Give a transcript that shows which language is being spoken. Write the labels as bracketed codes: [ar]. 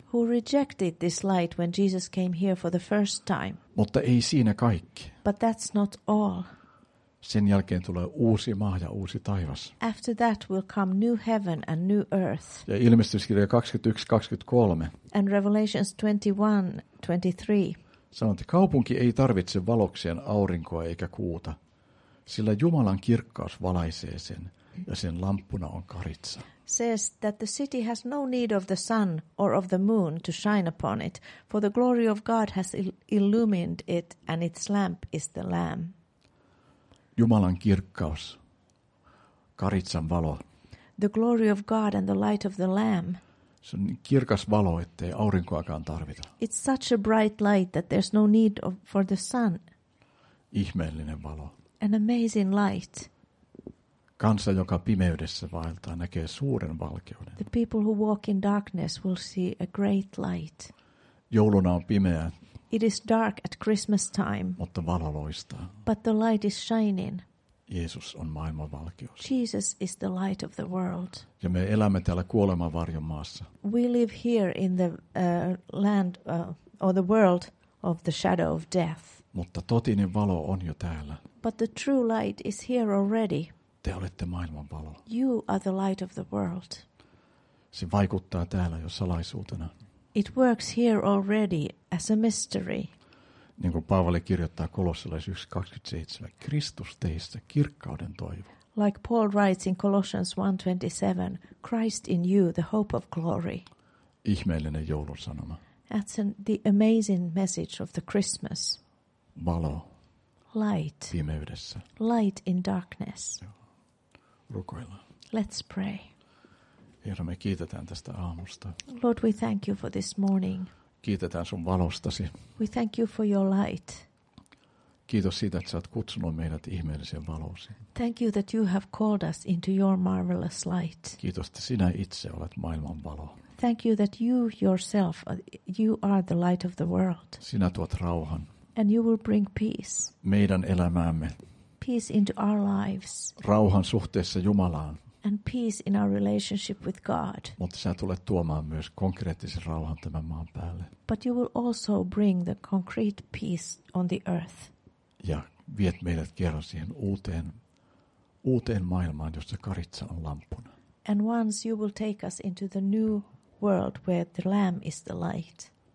[en] Who rejected this light when Jesus came here for the first time. [fi] Mutta ei siinä kaikki. [en] But that's not all. [fi] Sen jälkeen tulee uusi maa ja uusi taivas. [en] After that will come new heaven and new earth. [fi] Ja ilmestyskirja 21:23. [en] And Revelations 21:23. [fi] Sanoin, että kaupunki ei tarvitse valokseen aurinkoa eikä kuuta, sillä Jumalan kirkkaus valaisee sen, ja sen lamppuna on karitsa. [en] Says that the city has no need of the sun or of the moon to shine upon it, for the glory of God has illumined it, and its lamp is the Lamb. [fi] Jumalan kirkkaus, karitsan valo. [en] The glory of God and the light of the Lamb. [fi] Se on niin kirkas valo, ettei aurinkoakaan tarvita. [en] It's such a bright light that there's no need for the sun. [fi] Ihmeellinen valo. [en] An amazing light. [fi] Kansa, joka pimeydessä vaeltaa, näkee suuren valkeuden. [en] The people who walk in darkness will see a great light. [fi] Jouluna on pimeää. [en] It is dark at Christmas time. [fi] Mutta valo loistaa. [en] But the light is shining. [fi] Jeesus on maailman valkeus. [en] Jesus is the light of the world. [fi] Ja me elämme täällä kuoleman varjon maassa. [en] We live here in the land or the world of the shadow of death. [fi] Mutta totinen valo on jo täällä. [en] But the true light is here already. [fi] Te olette maailman valo. [en] You are the light of the world. [fi] Se vaikuttaa täällä jo salaisuutena. [en] It works here already as a mystery. [fi] Niin kuin Paavali kirjoittaa Kolossalaisessa 1:27, Kristus teissä kirkkauden toivo. [en] Like Paul writes in Colossians 1:27, Christ in you, the hope of glory. [fi] Ihmeellinen joulusanoma. [en] That's the amazing message of the Christmas. [fi] Valo. [en] Light. [fi] Pimeydessä. [en] Light in darkness. [fi] Rukoillaan. [en] Let's pray. [fi] Herra, me kiitetään tästä aamusta. [en] Lord, we thank you for this morning. [fi] Kiitetään sun valostasi. [en] We thank you for your light. [fi] Kiitos siitä, että sä oot kutsunut meidät ihmeelliseen valoosi. [en] Thank you that you have called us into your marvelous light. [fi] Kiitos, että sinä itse olet maailman valo. [en] Thank you that you yourself, you are the light of the world. [fi] Sinä tuot rauhan. [en] And you will bring peace. [fi] Meidän elämäämme. [en] Peace into our lives. [fi] Rauhan suhteessa Jumalaan. [en] And peace in our relationship with God. [fi] Mutta sä tulet tuomaan myös konkreettisen rauhan tämän maan päälle. [en] But you will also bring the concrete peace on the earth. [fi] Ja viet meidät kerran siihen uuteen maailmaan, jossa karitsa on lampuna. [en] And once you will take us into the new world where the lamb is the light.